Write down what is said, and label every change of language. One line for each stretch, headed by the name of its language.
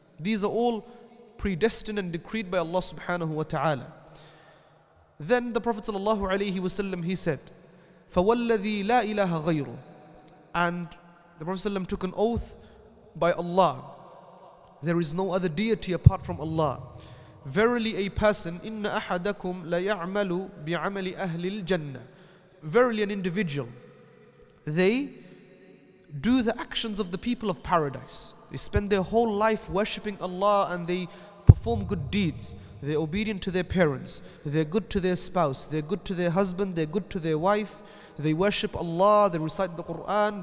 English: These are all predestined and decreed by Allah subhanahu wa ta'ala. Then the Prophet sallallahu alayhi wa sallam, he said,
Arabic: فَوَلَّذِي لَا إِلَهَ غَيْرُ.
English: And the Prophet sallam took an oath by Allah, there is no other deity apart from Allah. Verily a person,
Arabic: إِنَّ أَحَدَكُمْ لَيَعْمَلُ بِعَمَلِ أَهْلِ الْجَنَّةِ.
English: Verily an individual, they do the actions of the people of paradise. They spend their whole life worshipping Allah and they perform good deeds. They're obedient to their parents. They're good to their spouse. They're good to their husband. They're good to their wife. They worship Allah. They recite the Quran.